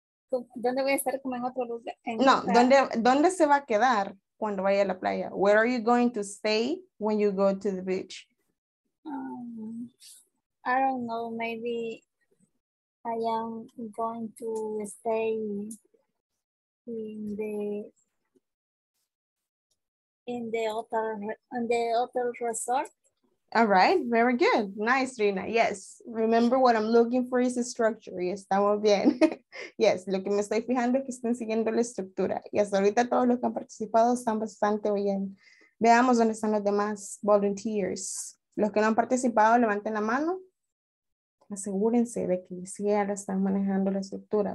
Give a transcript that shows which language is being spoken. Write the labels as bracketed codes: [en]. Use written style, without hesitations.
[es] ¿Dónde voy a estar como en otro lugar? No, ¿dónde se va a quedar cuando vaya a la playa? [en] Where are you going to stay when you go to the beach? I don't know. Maybe I am going to stay in the hotel resort. All right, very good. Nice, Rina. Yes, remember what I'm looking for is the structure. [es] Y estamos bien. Yes, lo que me estoy fijando es que estén siguiendo la estructura. Y hasta ahorita todos los que han participado están bastante bien. Veamos dónde están los demás volunteers. Los que no han participado, levanten la mano. Asegúrense de que sí ya lo están manejando la estructura.